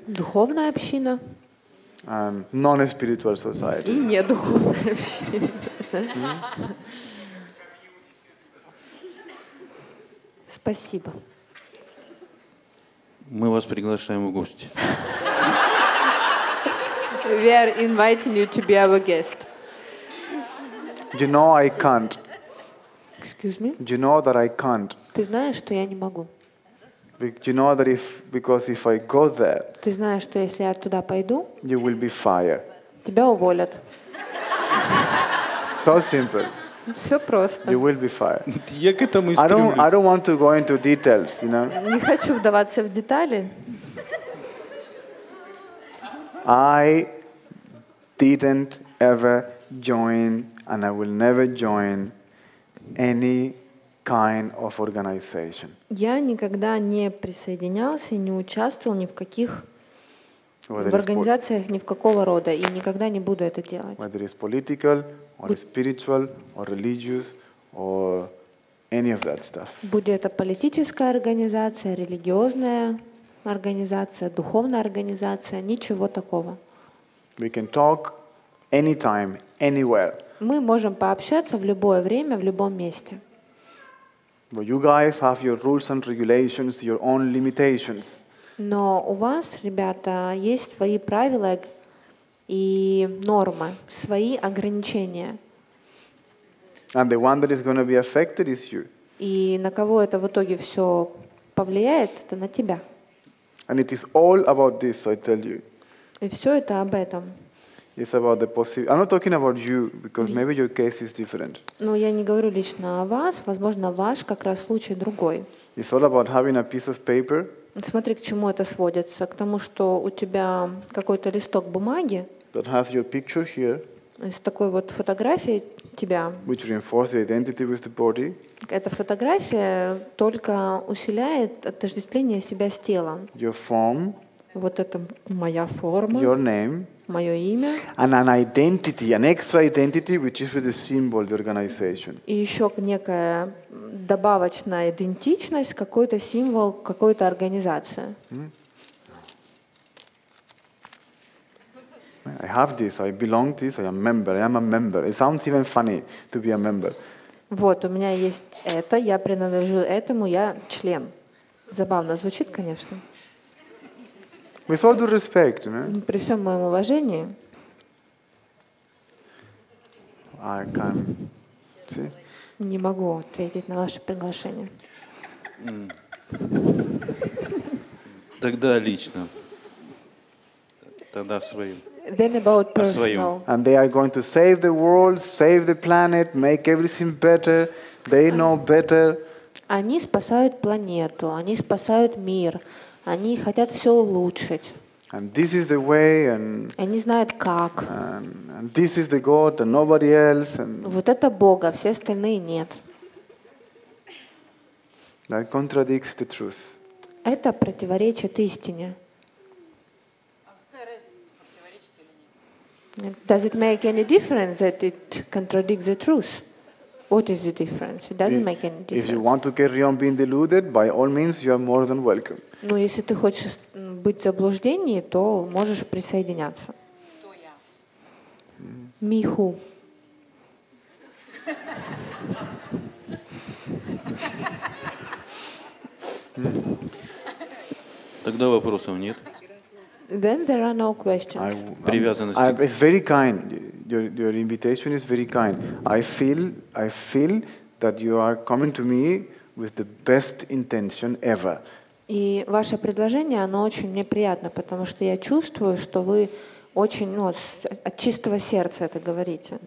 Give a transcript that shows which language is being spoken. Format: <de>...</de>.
<ru>Духовная община.</ru> <en>Non-spiritual society.</en> <ru>И не духовная община. Спасибо. Мы вас приглашаем в гости.</ru> <en>We are inviting you to be our guest. You know I can't. Excuse me? You know that I can't.</en> <ru>Ты знаешь, что я не могу.</ru> <en>You know that because if I go there.</en> <ru>Ты знаешь, что если я туда пойду?</ru> <en>You will be fired.</en> <ru>Тебя уволят.</ru> <en>So simple.</en> <ru>Все просто.</ru> <en>You will be fired.</en> <ru>Я к этому и стремлюсь.</ru> <en>I don't want to go into details, you know.</en> <ru>Не хочу вдаваться в детали.</ru> <en>I didn't ever join and I will never join any kind of organization.</en> <ru>Я никогда не присоединялся и не участвовал ни в каких в организациях ни в какого рода и никогда не буду это делать.</ru> <en>Whether it's political, or spiritual, or religious, or any of that stuff.</en> <ru>Будь это политическая организация, религиозная организация, духовная организация, ничего такого.</ru> <en>We can talk Anytime, anywhere.</en> <ru>Мы можем пообщаться в любое время, в любом месте.</ru> <en>But you guys have your rules and regulations, your own limitations.</en> <ru>Но у вас, ребята, есть свои правила и нормы, свои ограничения.</ru> <en>And the one that is going to be affected is you.</en> <ru>И на кого это в итоге все повлияет, это на тебя.</ru> <en>And it is all about this, I tell you.</en> <ru>И все это об этом.</ru> <en>It's about the possibility. I'm not talking about you, because maybe your case is different.</en> <ru>Ну, я не говорю лично о вас, возможно, ваш как раз случай другой.</ru> <en>It's all about having a piece of paper.</en> <ru>Смотри, к чему это сводится. К тому, что у тебя какой-то листок бумаги.</ru> <en>That has your picture here.</en> <ru>С такой вот фотографией тебя.</ru> <en>Which reinforces the identity with the body.</en> <ru>Эта фотография только усиливает отождествление себя с телом.</ru> <en>Your form.</en> <ru>Вот это моя форма.</ru> <en>Your name.</en> <ru>Мое имя.</ru> <en>And an identity, an extra identity, which is with the symbol, the organization.</en> <ru>И еще некая добавочная идентичность, какой-то символ, какой-то организации.</ru> <en>I have this, I belong to this, I am a member, I am a member. It sounds even funny to be a member.</en> <ru>Вот, у меня есть это, я принадлежу этому, я член. Забавно звучит, конечно.</ru> <en>With all due respect, you know?</en> <ru>При всем моем уважении.</ru> <en>I can't see.</en> <ru>Не могу ответить на ваше приглашение. Тогда лично. Тогда своим.</ru> <en>Then about personal. And they are going to save the world, save the planet, make everything better. They know better.</en> <ru>Они спасают планету, они спасают мир. Они хотят все улучшить.</ru> <en>And this is the way, and,</en> <ru>они знают как.</ru> <en>And this is the God, and nobody else, and</en> <ru>вот это Бог, а все остальные нет.</ru> <en>That contradicts the truth.</en> <ru>Это противоречит истине. А какая разница, противоречит или нет?</ru> <en>Does it make any difference that it contradicts the truth? What is the difference? It doesn't make any difference. If you want to carry on being deluded, by all means, you are more than welcome. Ну, если ты хочешь быть в заблуждении, то можешь присоединяться.</en> <ru>Кто я? Миху. Тогда вопросов нет.</ru> <en>Then there are no questions. It's very kind. Your invitation is very kind. I feel that you are coming to me with the best intention ever.</en> <ru>И ваше предложение, оно очень мне приятно, потому что я чувствую, что вы очень, ну, от чистого сердца это говорите.</ru>